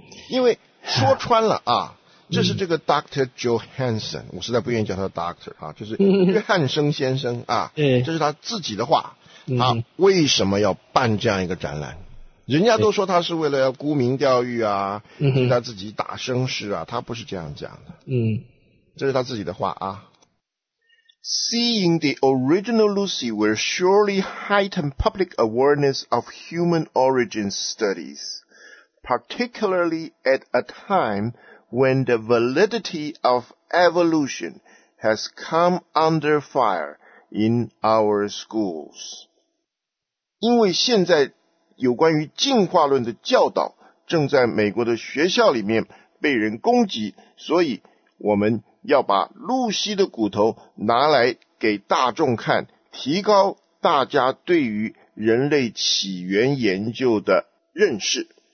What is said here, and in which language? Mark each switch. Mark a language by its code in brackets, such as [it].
[zh] 因为说穿了啊，这是这个 Dr. Johansson， 我实在不愿意叫他 Doctor 啊，就是约翰森先生啊，这是他自己的话，他为什么要办这样一个展览？人家都说他是为了要沽名钓誉啊，替他自己打声势啊，他不是这样讲的。嗯，这是他自己的话啊。 [en] Seeing the original Lucy will surely heighten public awareness of human origin studies, particularly at a time. When the validity of evolution has come under fire in our schools. [zh] 因为现在有关于进化论的教导正在美国的学校里面被人攻击，所以我们要把露西的骨头拿来给大众看，提高大家对于人类起源研究的认识。